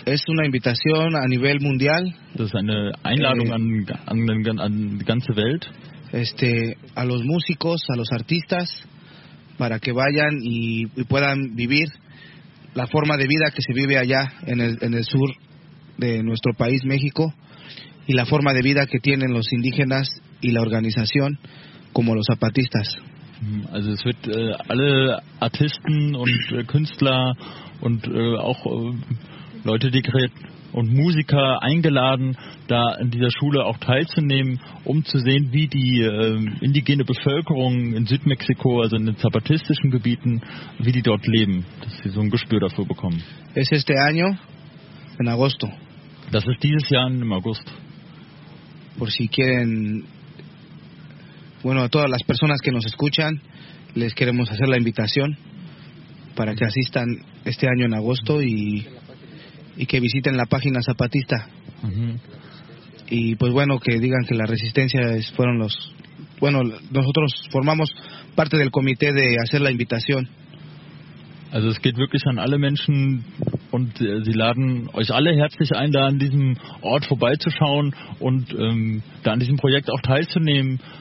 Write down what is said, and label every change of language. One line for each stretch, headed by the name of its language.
Spanish: Es una invitación a nivel mundial.
German: Das ist eine Einladung an die ganze Welt.
Spanish: A los músicos, a los artistas, para que vayan y puedan vivir la forma de vida que se vive allá en el sur de nuestro país, México, y la forma de vida que tienen los indígenas y la organización. Como los zapatistas.
German: Also es wird alle Artisten und Künstler und auch Leute, die Kreativen und Musiker eingeladen, da in dieser Schule auch teilzunehmen, um zu sehen, wie die indigene Bevölkerung in Südmexiko, also in den zapatistischen Gebieten, wie die dort leben, dass sie so ein Gespür dafür bekommen. Es ist
Spanish: este año, en agosto.
German: Das ist dieses Jahr im August.
Spanish: Por si quieren, bueno, a todas las personas que nos escuchan, les queremos hacer la invitación para que asistan este año en agosto y que visiten la página zapatista. Uh-huh. Y pues bueno, que digan que la resistencia es, fueron los... Bueno, nosotros formamos parte del comité de hacer la invitación.
German: Also es geht wirklich an alle Menschen und sie laden euch alle herzlich ein, da an diesem Ort vorbeizuschauen und da an diesem Projekt auch teilzunehmen.